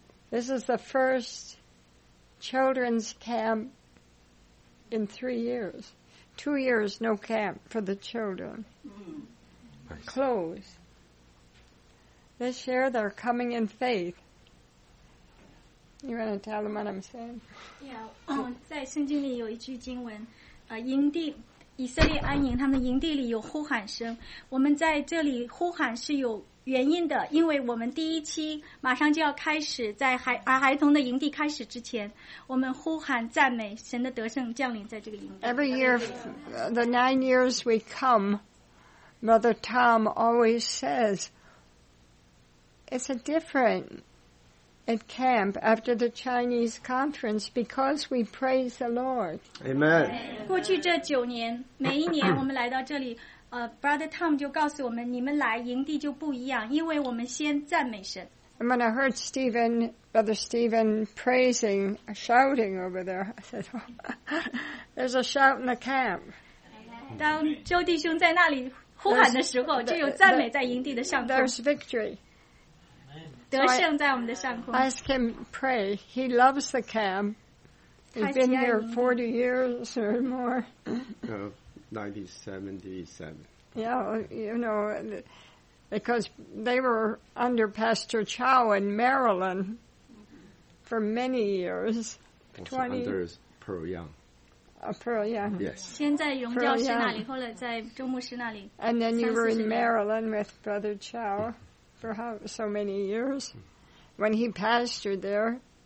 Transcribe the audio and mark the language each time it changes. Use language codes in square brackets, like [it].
[en] This is the first children's camp in 3 years. 2 years, no camp for the children. Close. This year, they're coming in faith. You want to tell them what I'm saying? [zh] Yeah, 在圣经里有一句经文，营地以色列安营，他们营地里有呼喊声。我们在这里呼喊是有原因的，因为我们第一期马上就要开始，在孩童的营地开始之前，我们呼喊赞美神的得胜降临在这个营地。 [en] Every year, the 9 years we come, Mother Tom always says, it's a different. At camp after the Chinese conference, because we praise the Lord. Amen. [zh] 过去这九年，每一年我们来到这里，Brother Tom 就告诉我们，你们来营地就不一样，因为我们先赞美神。 [en] And when I heard Stephen, Brother Stephen praising, shouting over there, I said, oh, "There's a shout in the camp." [zh] 当周弟兄在那里呼喊的时候，就有赞美在营地的上空。 [en] There's victory. So、 I ask him pray. He loves the camp. He's been here 40 years or more. 1977. Yeah, you know, because they were under Pastor Chow in Maryland for many years. 20 under Pearl Young. Pearl Young. Yes. [zh] 先在荣教师那里，后来在周牧师那里。 [en] And then you were in Maryland with Brother Chow for how, so many years when he pastored there.